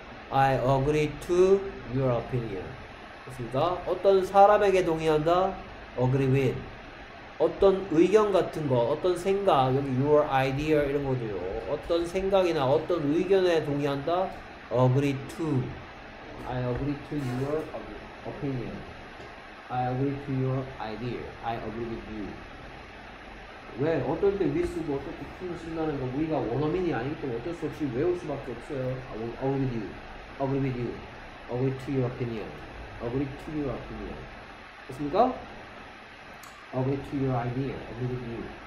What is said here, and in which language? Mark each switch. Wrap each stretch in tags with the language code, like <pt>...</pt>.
<en>I agree to your opinion.</en> <ko>됐습니까? 어떤 사람에게 동의한다.</ko> <en>Agree with.</en> <ko>어떤 의견 같은 거, 어떤 생각, 여기 your idea 이런 거죠. 어떤 생각이나 어떤 의견에 동의한다.</ko> <en>Agree to. I agree to your opinion. I agree to your idea. I agree with you.</en> <ko>왜? 어떨 때 we 쓰고 어떨 때 to 쓴다는 건 우리가 원어민이 아니기 때문에 어쩔 수 없이 외울 수밖에 없어요.</ko> <en>I will agree with you. Agree with you. Agree to your opinion. Agree to your opinion.</en> <ko>됐습니까?</ko> <en>Agree to your idea. Agree with you.</en>